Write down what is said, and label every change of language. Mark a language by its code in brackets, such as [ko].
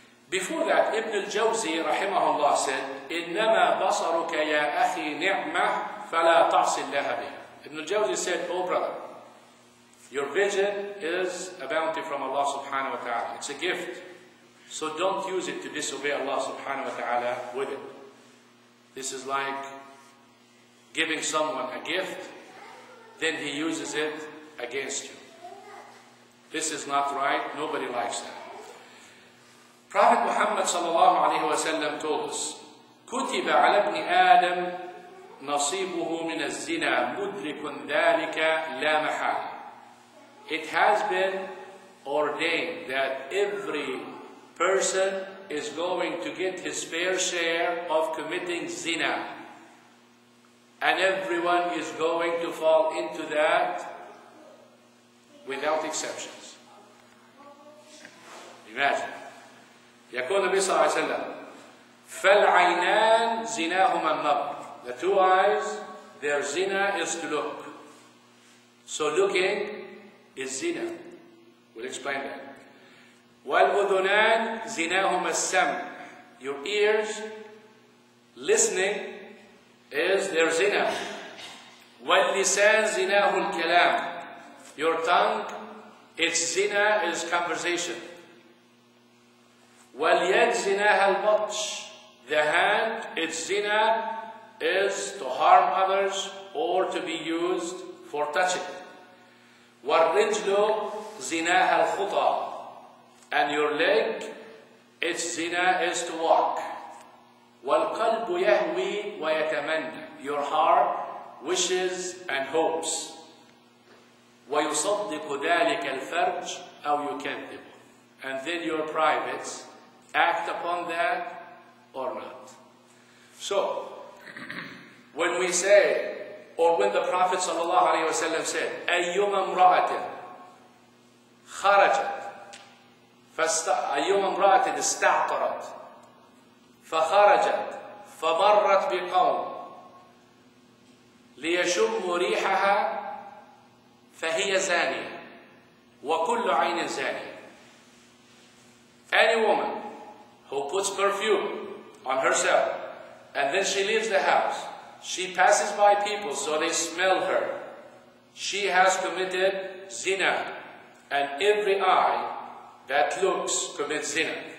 [en] Before that, Ibn al-Jawzi rahimahullah said, [ar] إِنَّمَا بَصَرُكَ يَا أَخِي نِعْمَةٌ فَلَا تَعْصِلْ لَهَا بِهِ. [en] Ibn al-Jawzi said, O brother, your vision is a bounty from Allah subhanahu wa ta'ala. It's a gift. So don't use it to disobey Allah subhanahu wa ta'ala with it. This is like giving someone a gift, then he uses it against you. This is not right. Nobody likes that. Prophet Muhammad sallallahu alayhi wa sallam told us, [ar] كُتِبَ عَلَى ابْنِ آدَمْ نَصِيبُهُ مِنَ الزِّنَى مُدْرِكٌ ذَلِكَ لَا مَحَالٍ. [en] It has been ordained that every person is going to get his fair share of committing zina. And everyone is going to fall into that without exceptions. Imagine. [ar] يقول النبي صلى الله عليه وسلم فالعينان زناهما النظر. [en] The two eyes, their zina is to look. So looking is zina. We'll explain that. [ar] والأذنان زناهما السمع. [en] Your ears, listening is their zina. [ar] واللسان زناه الكلام. [en] Your tongue, its zina is conversation. [ar] واليد زناها البطش. [en] The hand, its zina is to harm others or to be used for touching. [ar] والرجل زناها الخطى. [en] And your leg, its zina is to walk. [ar] والقلب يهوي ويتمنى. [en] Your heart wishes and hopes. [ar] ويصدق ذلك الفرج أو يكذب. [en] And then your privates act upon that or not. So, when we say, or when the Prophet sallallahu alayhi wa sallam said, [ar] أَيُّمَ امْرَأَةٍ خَرَجَتْ أَيُّمَ امْرَأَةٍ اسْتَعْطَرَتْ فَخَرَجَتْ فَمَرَّتْ بِقَوْمٍ لِيَشُمُّ رِيحَهَا فَهِيَ زَانِيَةٌ وَكُلُّ عَيْنٍ زَانِيَةٌ. [en] Any woman who puts perfume on herself and then she leaves the house, she passes by people so they smell her, she has committed zina, and every eye that looks commits zina.